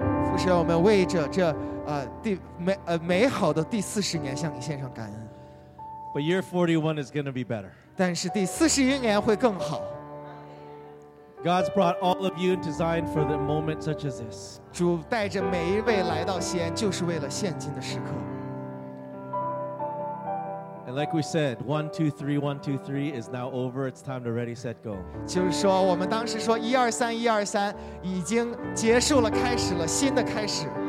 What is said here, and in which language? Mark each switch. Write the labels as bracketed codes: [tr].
[zh] 父神，我们为着这美好的第四十年向你献上感恩。 [en] But year 41 is going to be better. [zh] 但是第四十一年会更好。 [en] God's brought all of you into Zion for the moment such as this. [zh] 主带着每一位来到西安，就是为了现今的时刻。 [en] And like we said, 1, 2, 3, 1, 2, 3 is now over. It's time to ready, set, go. [zh] 就是说，我们当时说一二三，一二三，已经结束了，开始了新的开始。